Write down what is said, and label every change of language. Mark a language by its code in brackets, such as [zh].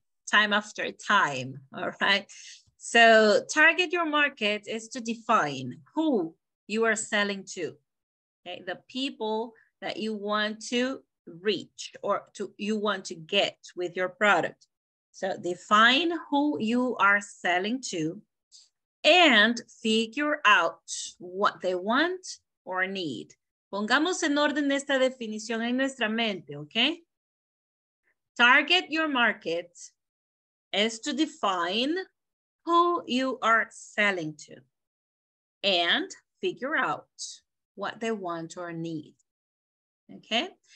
[en] Time after time, all right? So target your market is to define who you are selling to, okay? The people that you want to reach or to you want to get with your product. So define who you are selling to and figure out what they want or need. [es] Pongamos en orden esta definición en nuestra mente, okay? [en] Target your market is to define who you are selling to and figure out what they want or need, okay?